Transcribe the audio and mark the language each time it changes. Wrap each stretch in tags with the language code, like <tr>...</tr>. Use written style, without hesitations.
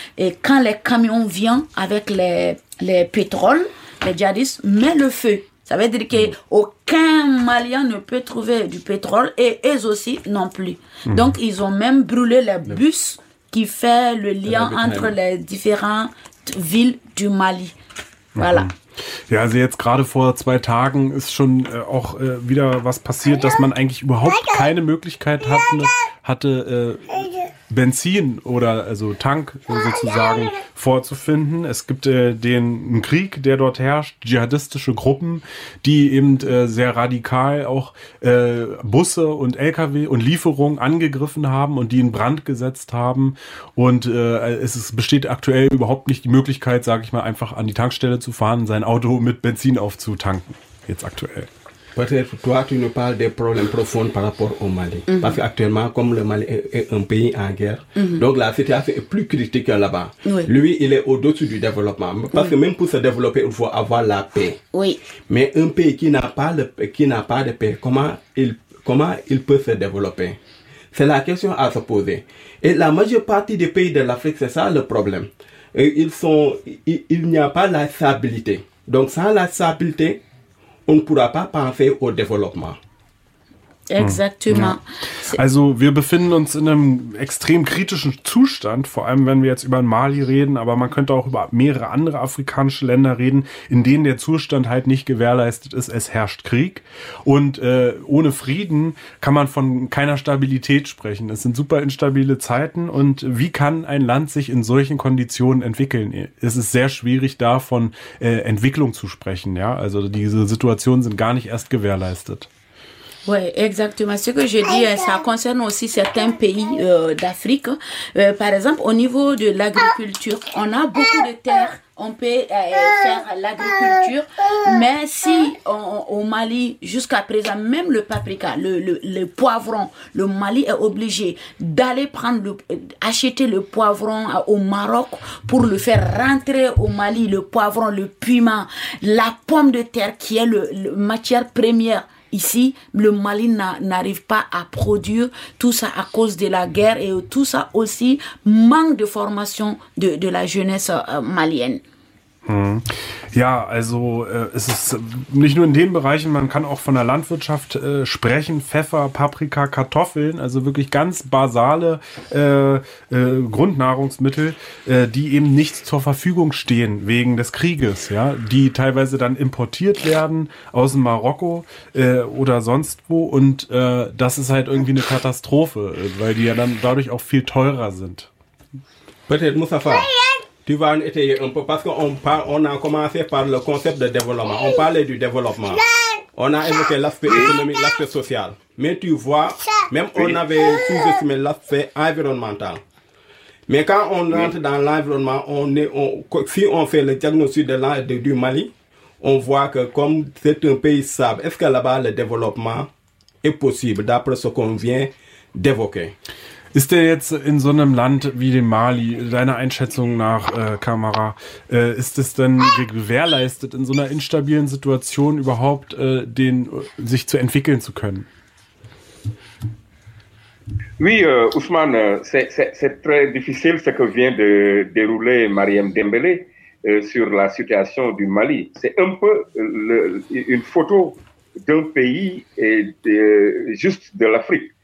<fr>Et quand les camions viennent avec les pétroles, les djihadistes mettent le feu. Ça veut dire qu'aucun Malien ne peut trouver du pétrole et eux aussi non plus. Donc, ils ont même brûlé les bus qui fait le lien entre les différentes villes du Mali. Voilà.</fr> <de>Ja, also jetzt gerade vor zwei Tagen ist schon auch wieder was passiert, dass man eigentlich überhaupt keine Möglichkeit hatte Benzin oder also Tank sozusagen vorzufinden. Es gibt einen Krieg, der dort herrscht, dschihadistische Gruppen, die eben sehr radikal auch Busse und LKW und Lieferungen angegriffen haben und die in Brand gesetzt haben. Und es besteht aktuell überhaupt nicht die Möglichkeit, sage ich mal, einfach an die Tankstelle zu fahren, sein Auto mit Benzin aufzutanken, jetzt aktuell.</de> <fr>Peut-être toi tu nous parles des problèmes profonds par rapport au Mali. Mm-hmm. Parce qu'actuellement, comme le Mali est un pays en guerre, mm-hmm. donc la situation est plus critique que là-bas. Oui. Lui, il est au-dessus du développement. Parce que même pour se développer, il faut avoir la paix. Oui. Mais un pays qui n'a pas de paix, comment il peut se développer? C'est la question à se poser. Et la majeure partie des pays de l'Afrique, c'est ça le problème. Et il n'y a pas la stabilité. Donc sans la stabilité, on ne pourra pas penser au développement. Exactement.</fr> <de>Also wir befinden uns in einem extrem kritischen Zustand, vor allem wenn wir jetzt über Mali reden, aber man könnte auch über mehrere andere afrikanische Länder reden, in denen der Zustand halt nicht gewährleistet ist. Es herrscht Krieg und ohne Frieden kann man von keiner Stabilität sprechen. Es sind super instabile Zeiten und wie kann ein Land sich in solchen Konditionen entwickeln? Es ist sehr schwierig, da von Entwicklung zu sprechen. Ja? Also diese Situationen sind gar nicht erst gewährleistet.</de> <fr>Oui, exactement. Ce que je dis, ça concerne aussi certains pays d'Afrique. Par exemple, au niveau de l'agriculture, on a beaucoup de terres, on peut faire l'agriculture. Mais si au Mali, jusqu'à présent, même le paprika, le poivron, le Mali est obligé d'aller acheter le poivron au Maroc pour le faire rentrer au Mali, le poivron, le piment, la pomme de terre qui est la matière première. Ici, le Mali n'arrive pas à produire tout ça à cause de la guerre et tout ça aussi manque de formation de la jeunesse malienne.</fr> <de>Ja, also es ist nicht nur in den Bereichen, man kann auch von der Landwirtschaft sprechen, Pfeffer, Paprika, Kartoffeln, also wirklich ganz basale Grundnahrungsmittel, die eben nicht zur Verfügung stehen wegen des Krieges, ja, die teilweise dann importiert werden aus dem Marokko oder sonst wo und das ist halt irgendwie eine Katastrophe, weil die ja dann dadurch auch viel teurer sind. Bitte, Mustafa.</de> <fr>Tu vas en étayer un peu parce qu'on a commencé par le concept de développement. On parlait du développement. On a évoqué l'aspect économique, l'aspect social. Mais tu vois, même on avait sous-estimé l'aspect environnemental. Mais quand on rentre dans l'environnement, si on fait le diagnostic du Mali, on voit que comme c'est un pays sable, est-ce que là-bas le développement est possible d'après ce qu'on vient d'évoquer?</fr> <de>Ist denn jetzt in so einem Land wie dem Mali, deiner Einschätzung nach, Kamara, ist es denn gewährleistet, in so einer instabilen Situation überhaupt sich zu entwickeln zu können?</de> <fr>Oui, Ousmane, c'est très difficile ce que vient de dérouler Mariam Dembélé sur la situation du Mali. C'est un peu une photo d'un pays et juste de l'Afrique.</fr>